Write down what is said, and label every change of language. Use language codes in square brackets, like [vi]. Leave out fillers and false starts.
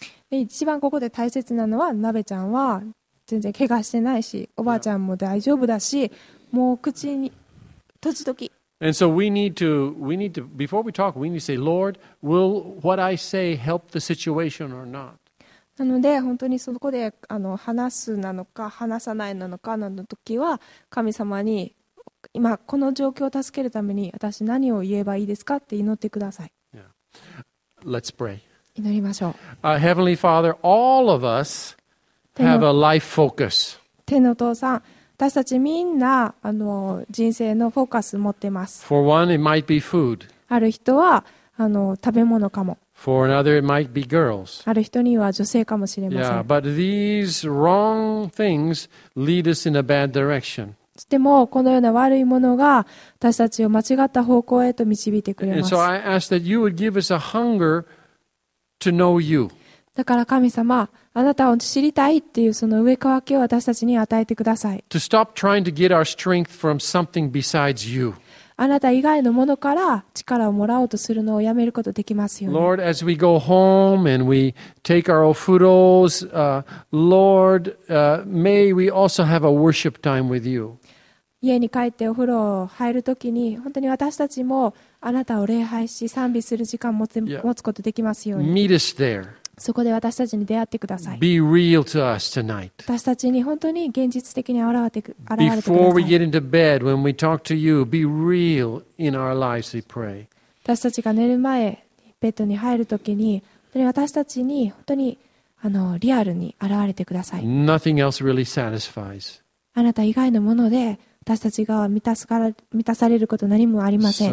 [ja] 一番ここで大切なのは、ナベちゃんは全然怪我してないし、おばあちゃんも大丈夫だし、もう口に閉じとき。 [en] And so we need to, before we talk, we need to say, Lord, will what I say help the situation or not? [ja] なので、本当にそこで話すなのか、話さないなのかの時は、神様に、今この状況を助けるために、私何を言えばいいですかって祈ってください。 [en] Yeah. Let's pray. [ja] 祈りましょう。 [en] Heavenly Father, all of us have a life focus. [ja] 天のお父さん、私たちみんな人生のフォーカス持ってます。 [en] For one, it might be food. [ja] ある人は食べ物かも。 [en] For another, it might be girls. [ja] ある人には女性かもしれません。 [en] Yeah, but these wrong things lead us in a bad direction. [ja] でもこのような悪いものが私たちを間違った方向へと導いてくれます。 [en] And so I ask that you would give us a hungerTo know you. [ja] だから神様、あなたを知りたいっていうその上渇きを私たちに与えてください。 [en] To stop trying to get our strength from something besides you. [ja] あなた以外のものから力をもらおうとするのをやめることできますように。 [en] Lord, as we go home and we take our ofuros, Lord, may we also have a worship time with you. [ja] 家に帰ってお風呂を入るときに、本当に私たちも。あなたを礼拝し賛美する時間を持つことできますように。 [en] Meet us there. [ja] そこで私たちに出会ってください。 [en] Be real to us tonight. [ja] 私たちに本当に現実的に現れてください。 [en] Before we get into bed, when we talk to you, be real in our lives, we pray. [ja] 私たちが寝る前、ベッドに入るときに、本当に私たちに本当にリアルに現れてください。 [en] Nothing else really satisfies. [ja] あなた以外のもので、私たちが満たされること何もありません。